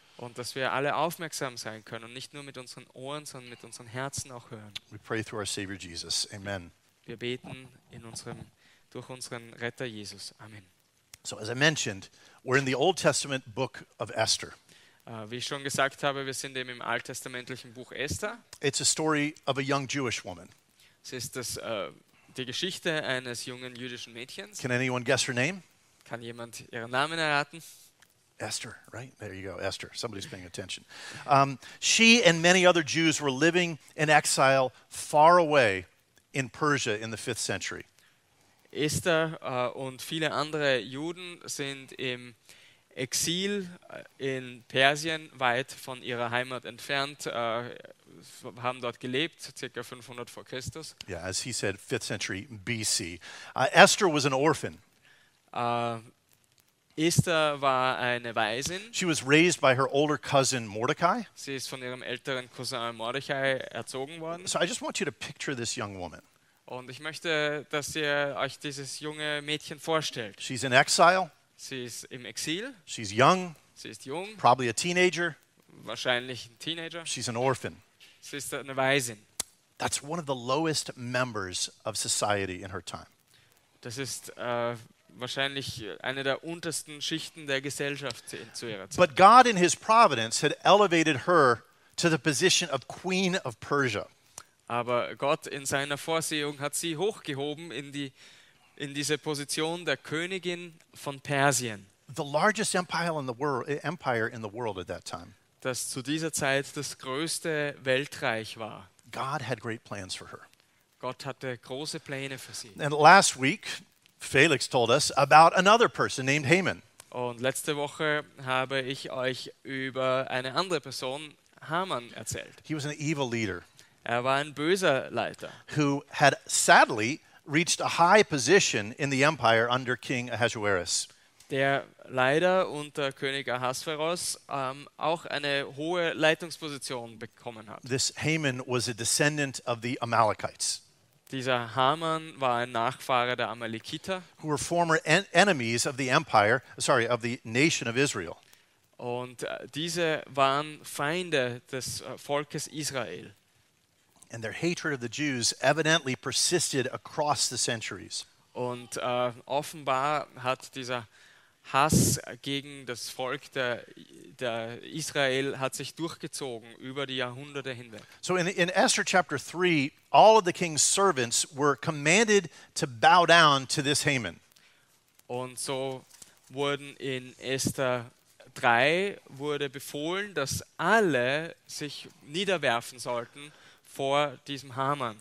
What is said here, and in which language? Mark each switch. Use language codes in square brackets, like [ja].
[de] Und dass wir alle aufmerksam sein können und nicht nur mit unseren Ohren, sondern mit unseren Herzen auch hören. [en] We pray through our Savior Jesus. Amen. [de] Wir beten in unserem, durch unseren Retter Jesus. Amen. [en] So as I mentioned, we're in the Old Testament book of Esther. [de] Wie ich schon gesagt habe, wir sind eben im alttestamentlichen Buch Esther. [en] It's a story of a young Jewish woman. [de] Es ist das, die Geschichte eines jungen jüdischen Mädchens. [en] Can anyone guess her name? [de] Kann jemand ihren Namen erraten? [en] Esther, right? There you go, Esther. Somebody's paying attention. She and many other Jews were living in exile far away in Persia in the 5th century. [de] Esther und viele andere Juden sind im Exil in Persien, weit von ihrer Heimat entfernt, haben dort gelebt, circa 500 vor Christus. [en] Yeah, as he said, 5th century BC. Esther was an orphan. [de] Esther war eine Waisin. [en] She was raised by her older cousin Mordecai. [de] Sie ist von ihrem älteren Cousin Mordecai erzogen worden. [en] So I just want you to picture this young woman. [de] Und ich möchte, dass ihr euch dieses junge Mädchen vorstellt. [en] She's in exile. [de] Sie ist im Exil. [en] She's young. [de] Sie ist jung. [en] Probably a teenager. [de] Wahrscheinlich ein Teenager. [en] She's an orphan. [de] Sie ist eine Waisin. [en] That's one of the lowest members of society in her time. [de] Das ist wahrscheinlich eine der untersten Schichten der Gesellschaft zu ihrer Zeit. [en] But God in his providence had elevated her to the position of Queen of Persia. [de] Aber Gott in seiner Vorsehung hat sie hochgehoben in diese Position der Königin von Persien. [en] The largest empire in the world, at that time. [de] Das zu dieser Zeit das größte Weltreich war. [en] God had great plans for her. [de] Gott hatte große Pläne für sie. [en] And last week, Felix told us about another person named Haman. [de] Und letzte Woche habe ich euch über eine andere Person, Haman, erzählt. [en] He was an evil leader. [de] Er war ein böser Leiter. [en] Who had sadly reached a high position in the empire under King Ahasuerus. [de] Der leider unter König Ahasuerus auch eine hohe Leitungsposition bekommen hat. [en] This Haman was a descendant of the Amalekites. [de] Dieser Haman war ein Nachfahre der Amalekiter. [en] Who were former enemies of the empire, sorry, of the nation of Israel. [de] Und diese waren Feinde des Volkes Israel. [en] And their hatred of the Jews evidently persisted across the centuries. [de] Und offenbar hat dieser Hass gegen das Volk der Israel hat sich durchgezogen über die Jahrhunderte hinweg. [en] So in Esther chapter 3, all of the king's servants were commanded to bow down to this Haman. [de] Und so wurden in Esther 3 wurde befohlen, dass alle sich niederwerfen sollten vor diesem Haman.